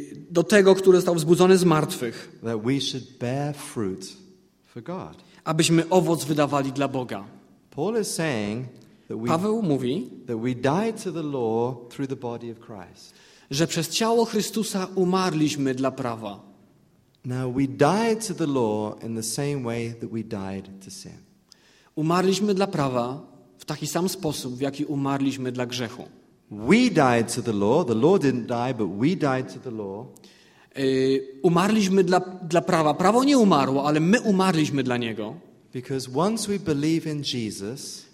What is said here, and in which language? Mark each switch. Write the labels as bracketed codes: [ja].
[pl] Do tego, który został wzbudzony z martwych. [en] That we should bear fruit for God. [pl] Abyśmy owoc wydawali dla Boga. [en] Paul is saying that we, [pl] Paweł mówi, [en] that we die to the law through the body of Christ. [pl] Że przez ciało Chrystusa umarliśmy dla prawa. [en] Now we die to the law in the same way that we died to sin. [pl] Umarliśmy dla prawa w taki sam sposób, w jaki umarliśmy dla grzechu. [en] We died to the law. The law didn't die, but we died to the law. [pl] Umarliśmy dla prawa. Prawo nie umarło, ale my umarliśmy dla niego. [en] Because once we believe in Jesus,